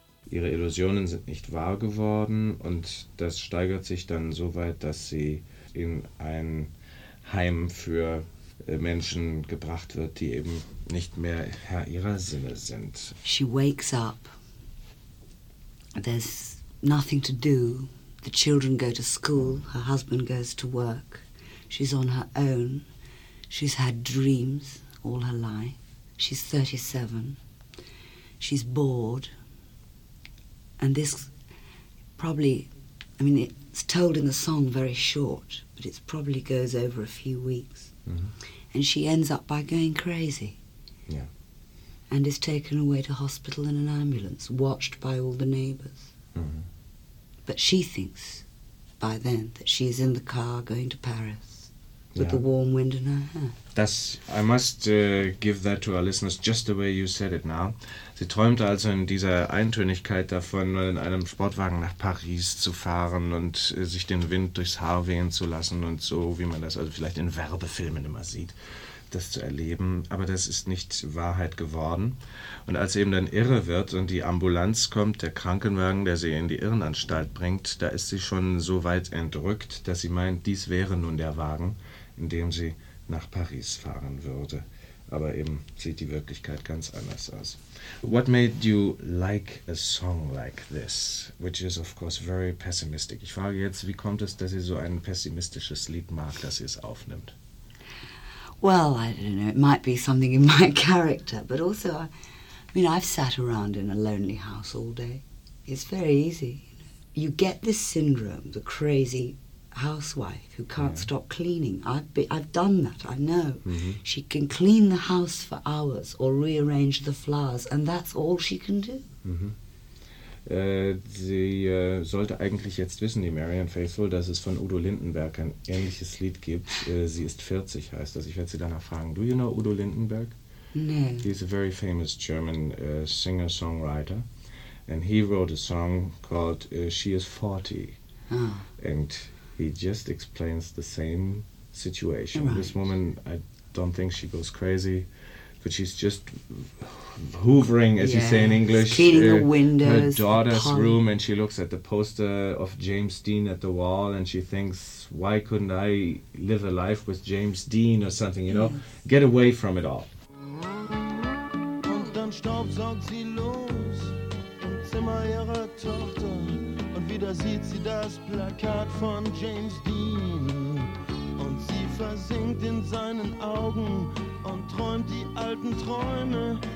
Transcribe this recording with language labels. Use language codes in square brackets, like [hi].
[de] Ihre Illusionen sind nicht wahr geworden und das steigert sich dann so weit, dass sie in ein Heim für Menschen gebracht wird, die eben nicht mehr Herr ihrer Sinne sind. [en] She wakes up. There's nothing to do. The children go to school, her husband goes to work. She's on her own. She's had dreams all her life. She's 37. She's bored. And this probably, I mean, it's told in the song very short, but it probably goes over a few weeks. Mm-hmm. And she ends up by going crazy. Yeah. And is taken away to hospital in an ambulance, watched by all the neighbors. Mm-hmm. But she thinks by then that she is in the car going to Paris with yeah. the warm wind in her hair. Das, I must give that to our listeners just the way you said it now. [de] Sie träumte also in dieser Eintönigkeit davon, in einem Sportwagen nach Paris zu fahren und sich den Wind durchs Haar wehen zu lassen und so, wie man das also vielleicht in Werbefilmen immer sieht, das zu erleben. Aber das ist nicht Wahrheit geworden. Und als sie eben dann irre wird und die Ambulanz kommt, der Krankenwagen, der sie in die Irrenanstalt bringt, da ist sie schon so weit entrückt, dass sie meint, dies wäre nun der Wagen, in dem sie nach Paris fahren würde. Aber eben sieht die Wirklichkeit ganz anders aus. [en] What made you like a song like this, which is of course very pessimistic? [de] Ich frage jetzt, wie kommt es, dass ihr so ein pessimistisches Lied mag, dass ihr es aufnimmt? [en] Well, I don't know, it might be something in my character, but also, I mean, I've sat around in a lonely house all day. It's very easy. You get this syndrome, the crazy housewife who can't yeah. stop cleaning. I've done that, I know. Mm-hmm. She can clean the house for hours or rearrange the flowers, and that's all she can do. Mm-hmm. [de] Sie sollte eigentlich jetzt wissen, die Marian Faithfull, dass es von Udo Lindenberg ein ähnliches Lied gibt. Sie ist 40, heißt das. Ich werde sie danach fragen. [en] Do you know Udo Lindenberg? No. He's a very famous German singer-songwriter, and he wrote a song called She is 40. Oh. And he just explains the same situation. Right. This woman, I don't think she goes crazy, but she's just hoovering, as yeah. you say in English, cleaning the windows, her daughter's room, and she looks at the poster of James Dean at the wall, and she thinks, why couldn't I live a life with James Dean or something, you know? Yes. Get away from it all. [de] Und dann staubsaugt sie los Zimmer ihrer Tochter. Da sieht sie das Plakat von James Dean und sie versinkt in seinen Augen und träumt die alten Träume.